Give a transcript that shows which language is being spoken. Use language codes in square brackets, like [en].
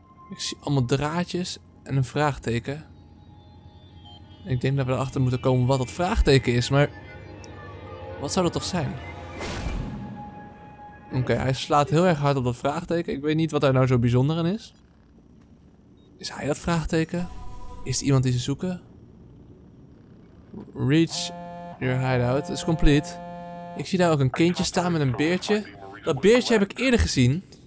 [nl] Ik zie allemaal draadjes en een vraagteken. Ik denk dat we erachter moeten komen wat dat vraagteken is, maar wat zou dat toch zijn? Oké, hij slaat heel erg hard op dat vraagteken. Ik weet niet wat daar nou zo bijzonder aan is. Is hij dat vraagteken? Is het iemand die ze zoeken? [en] Reach your hideout is complete. [nl] Ik zie daar ook een kindje staan met een beertje. Dat beertje heb ik eerder gezien.